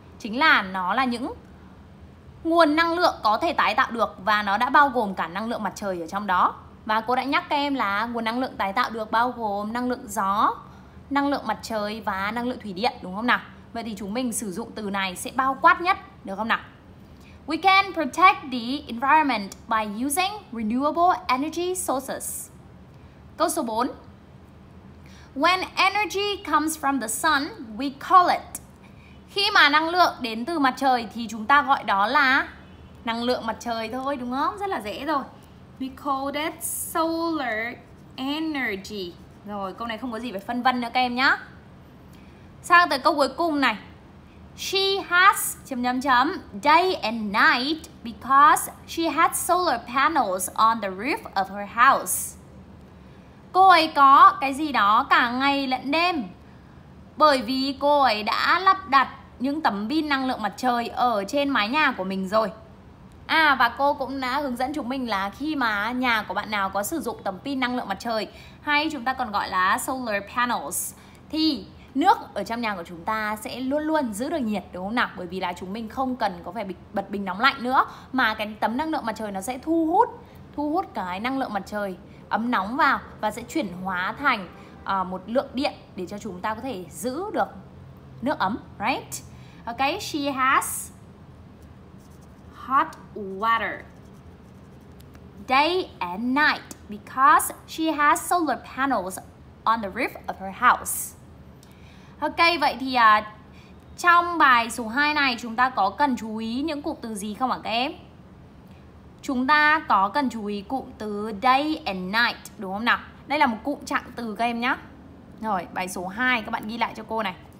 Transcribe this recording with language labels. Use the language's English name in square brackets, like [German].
[Vietnamese] Chính là nó là những nguồn năng lượng có thể tái tạo được, và nó đã bao gồm cả năng lượng mặt trời ở trong đó. Và cô đã nhắc các em là nguồn năng lượng tái tạo được bao gồm năng lượng gió, năng lượng mặt trời và năng lượng thủy điện, đúng không nào? Vậy thì chúng mình sử dụng từ này sẽ bao quát nhất, được không nào? [English] We can protect the environment by using renewable energy sources. [Vietnamese] Câu số 4. [English] When energy comes from the sun, we call it. [Vietnamese] Khi mà năng lượng đến từ mặt trời thì chúng ta gọi đó là năng lượng mặt trời thôi, đúng không? Rất là dễ rồi. [English] We call that solar energy. [Vietnamese] Rồi, câu này không có gì phải phân vân nữa các em nhá. Sang tới câu cuối cùng này. [English] She has day and night because she had solar panels on the roof of her house. [Vietnamese] Cô ấy có cái gì đó cả ngày lẫn đêm bởi vì cô ấy đã lắp đặt những tấm pin năng lượng mặt trời ở trên mái nhà của mình rồi. À, và cô cũng đã hướng dẫn chúng mình là khi mà nhà của bạn nào có sử dụng tấm pin năng lượng mặt trời, hay chúng ta còn gọi là solar panels, thì nước ở trong nhà của chúng ta sẽ luôn luôn giữ được nhiệt, đúng không nào? Bởi vì là chúng mình không cần có phải bật bình nóng lạnh nữa, mà cái tấm năng lượng mặt trời nó sẽ thu hút cái năng lượng mặt trời ấm nóng vào và sẽ chuyển hóa thành một lượng điện để cho chúng ta có thể giữ được nước ấm, right? [English] Okay, she has hot water day and night because she has solar panels on the roof of her house. [Vietnamese] Okay, vậy thì trong bài số 2 này chúng ta có cần chú ý những cụm từ gì không ạ các em? Chúng ta có cần chú ý cụm từ [English] day and night, [Vietnamese] đúng không nào? Đây là một cụm trạng từ các em nhé. Rồi, bài số 2 các bạn ghi lại cho cô này.